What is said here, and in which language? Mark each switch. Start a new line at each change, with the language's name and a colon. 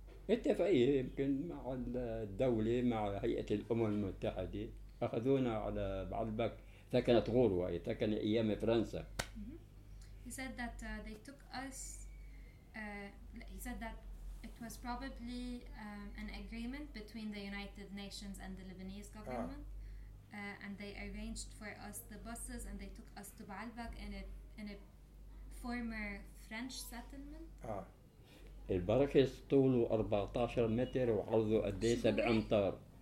Arabic: اتفقية يمكن مع الدولة مع هيئة الأمم المتحدة أخذونا على بعلبك سكنت غوروة سكن أيام فرنسا.
English: He said that they took us. He said that it was probably an agreement between the United Nations and the Lebanese government, and they arranged for us the buses and they took us to Baalbek in a former French settlement.
Arabic: البركس طوله 14 متر وعرضه قديه 7 أمتار.